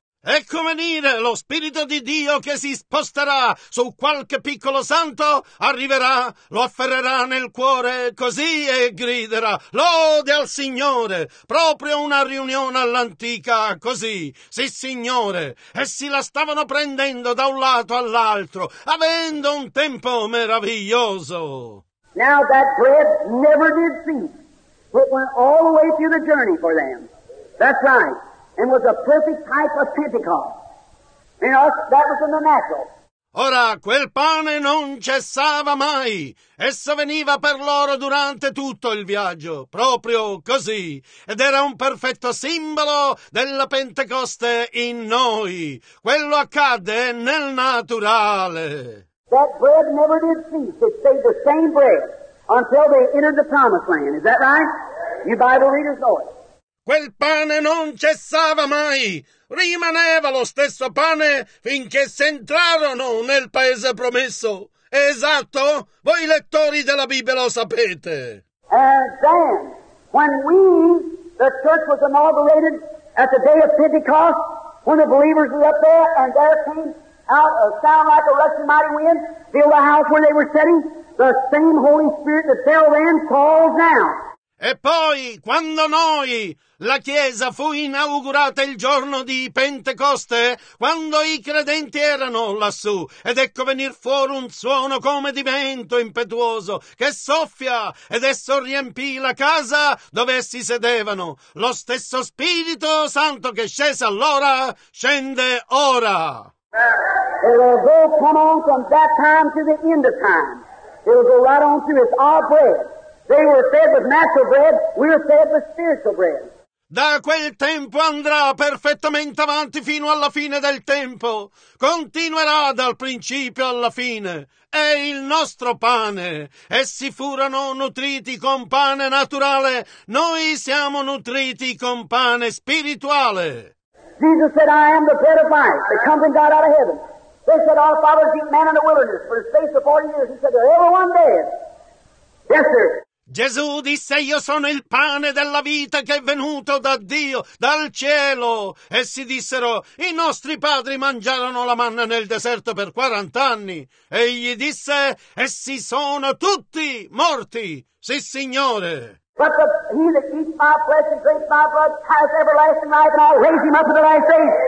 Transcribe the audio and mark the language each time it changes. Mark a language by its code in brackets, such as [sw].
[it] Ecco venire lo Spirito di Dio che si sposterà su qualche piccolo santo, arriverà, lo afferrerà nel cuore così e griderà, lode al Signore, proprio una riunione all'antica, così, sì Signore, essi la stavano prendendo da un lato all'altro, avendo un tempo meraviglioso. [en] Now that bread never did cease, it went all the way through the journey for them, that's right. And was a perfect type of Pentecost. And that was in the natural. [it] Ora, quel pane non cessava mai. Esso veniva per loro durante tutto il viaggio, proprio così. Ed era un perfetto simbolo della Pentecoste in noi. Quello accadde nel naturale. [en] That bread never did cease. It stayed the same bread until they entered the promised land. Is that right? You Bible readers know it. [it] Quel pane non cessava mai, rimaneva lo stesso pane finché si entrarono nel paese promesso. Esatto, voi lettori della Bibbia lo sapete. [en] And then, when the church was inaugurated at the day of Pentecost, when the believers were up there and there came out a sound like a rushing mighty wind, filled the house where they were sitting, the same Holy Spirit that fell then calls now. [it] E poi, quando noi, la Chiesa fu inaugurata il giorno di Pentecoste, quando i credenti erano lassù, ed ecco venir fuori un suono come di vento impetuoso, che soffia, ed esso riempì la casa dove essi sedevano. Lo stesso Spirito Santo che scese allora, scende ora. [en] It'll go come on from that time to the end of time. It'll go right on through. It's our bread. They were fed with natural bread, we were fed with spiritual bread. [it] Da quel tempo andrà perfettamente avanti fino alla fine del tempo. Continuerà dal principio alla fine. È il nostro pane. Essi furono nutriti con pane naturale. Noi siamo nutriti con pane spirituale. [en] Jesus said, I am the bread of life that comes from God out of heaven. They said, our fathers eat man in the wilderness for a space of 40 years. He said, they're everyone dead. Yes, sir. [it] Gesù disse, io sono il pane della vita che è venuto da Dio, dal cielo. Essi dissero, i nostri padri mangiarono la manna nel deserto per 40 anni. Egli disse, essi sono tutti morti, sì signore. [en] But the, he that eats my flesh and drinks my blood has everlasting life, and I'll raise him up in the last day.